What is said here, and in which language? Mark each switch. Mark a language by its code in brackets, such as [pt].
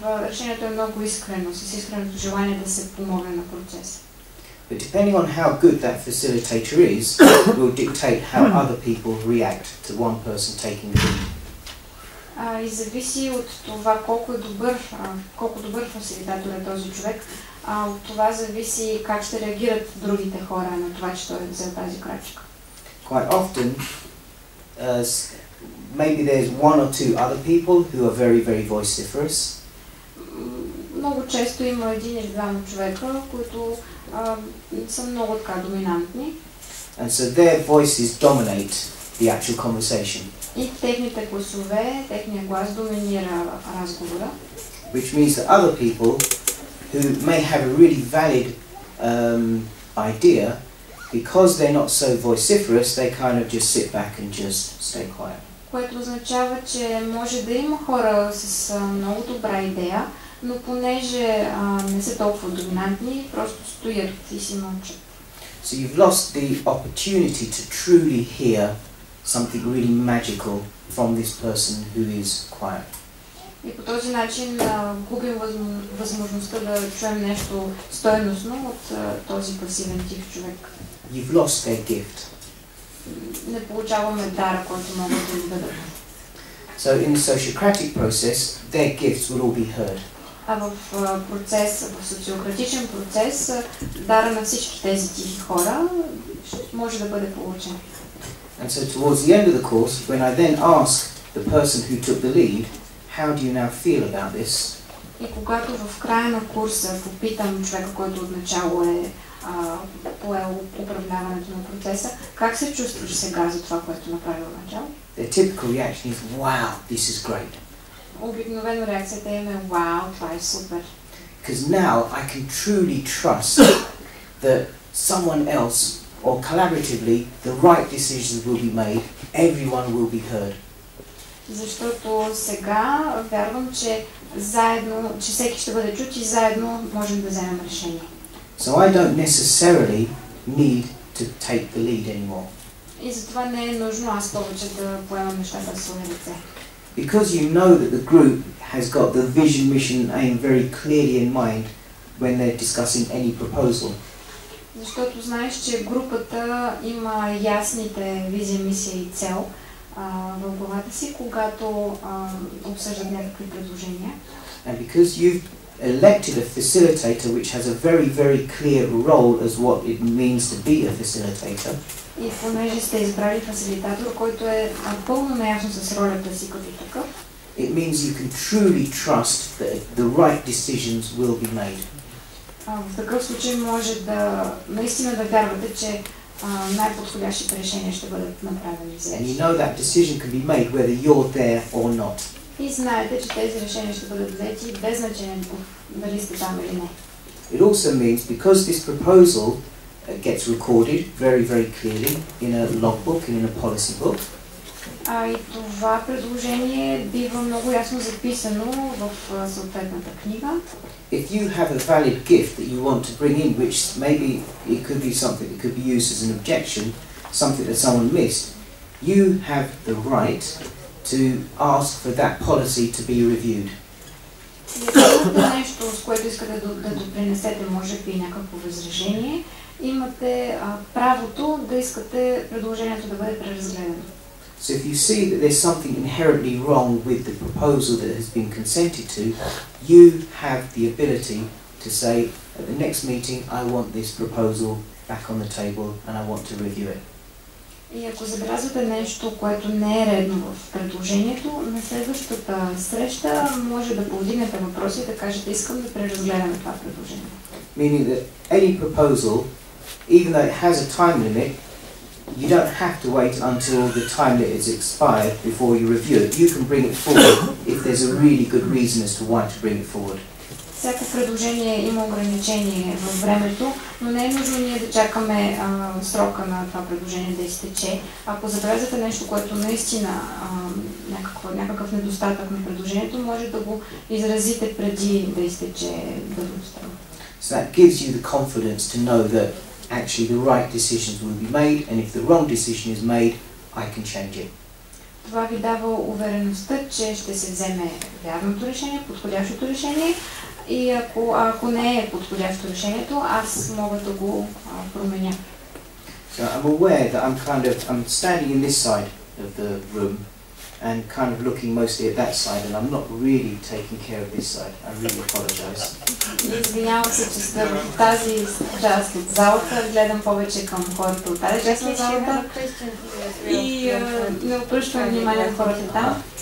[bg] Решението е много искрено, с искреното желание да се помогне на процеса. [en] But depending on how good that facilitator is, will dictate how other people react to one person taking the lead. [bg] И зависи от това колко добър фасилитатор е този човек, от това зависи как ще реагират другите хора на това, че той е взел тази крачка. [en] Quite often, maybe there's one or two other people who are very, very vociferous. [bg] Много често има един или двама човека, които са много така доминантни. [en] And so their voices dominate the actual conversation. [bg] И техните гласове, техният глас доминира разговора. [en] Which means that other people who may have a really valid idea, because they're not so vociferous, they kind of just sit back and just stay quiet. [bg] Което означава, че може да има хора с много добра идея, но понеже не са толкова доминантни, просто стоят и си мълчат. [en] So you've lost the opportunity to truly hear something really magical from this person who is quiet. [bg] И по този начин губим възможността да чуем нещо стойностно от този пасивен тих човек. [en] You've lost their gift. [bg] Не получаваме дара, който могат да ни дадат. [en] So in the sociocratic process, their gifts will all be heard. [bg] А в процес, в социократичен процес, дара на всички тези тихи хора може да бъде получен. [en] And so towards the end of the course, when I then ask the person who took the lead, how do you now feel about this? [bg] И когато в края на курса попитам човека, който отначало е поел управляването на процеса, как се чувстваш сега за това, което направил начало? [en] The typical reaction is, wow, this is great. [bg] Обикновено реакцията им е, wow, това е супер. [en] Because now I can truly trust that someone else, or collaboratively, the right decisions will be made, everyone will be heard. [bg] Защото сега вярвам, че заедно, че всеки ще бъде чут и заедно можем да вземем решение. [en] So I don't necessarily need to take the lead anymore. [bg] И затова не е нужно аз повече да поемам нещата в свои ръце. [en] Because you know that the group has got the vision, mission and aim very clearly in mind when they're discussing any proposal. [bg] Защото знаеш, че групата има ясните визия, мисия и цел в главата си, когато обсъждат някакви предложения. [en] And because you've elected a facilitator which has a very, very clear role as what it means to be a facilitator. [bg] И понеже сте избрали фасилитатор, който е напълно наясно с ролята си като такъв. [en] It means you can truly trust that the right decisions will be made. [bg] В такъв случай може да наистина да вярвате, че най-подходящите решения ще бъдат направени. [en] And you know that decision can be made whether you're there or not. [bg] И знаете, че тези решения ще бъдат взети без значение дали сте там или не. [en] It also means because this proposal gets recorded very, very clearly in a logbook and in a policy book. [bg] А и това предложение бива много ясно записано в съответната книга. [en] If you have a valid gift that you want to bring in, which maybe it could be something that could be used as an objection, something that someone missed, you have the right to ask for that policy to be reviewed. [bg] Нещо, с което искате да допринесете, може би някакво възражение, имате правото да искате предложението да бъде преразгледано. [en] So if you see that there's something inherently wrong with the proposal that has been consented to, you have the ability to say, at the next meeting, I want this proposal back on the table and I want to review it. [bg] И ако забелязвате нещо, което не е редно в предложението, на следващата среща може да повдигнете въпроси и да кажете, искам да преразгледаме това предложение. [en] Meaning that any proposal, even though it has a time limit, you don't have to wait until the time that is expired before you review it. You can bring it forward if there's a really good reason as to why to bring it forward. [bg] Всяко предложение има ограничение във времето, но не е нужно ние да чакаме срока на това предложение да изтече. Ако забелязате нещо, което наистина някакъв недостатък на предложението, може да го изразите преди да изтече давността. [en] So that gives you the confidence to know that actually the right decisions will be made, and if the wrong decision is made, I can change it. [bg] Това ви дава увереността, че ще се вземе вярното решение, подходящото решение, и ако не е подходящо решението, аз мога да го променя. [en] So I'm aware that I'm standing in this side of the room and kind of looking mostly at that side, and I'm not really taking care of this side. I really apologize. [bg] Извинявам се, че сте в тази част от залата. Гледам повече към хората от тази част от залата. И не обръщам внимание на хората там.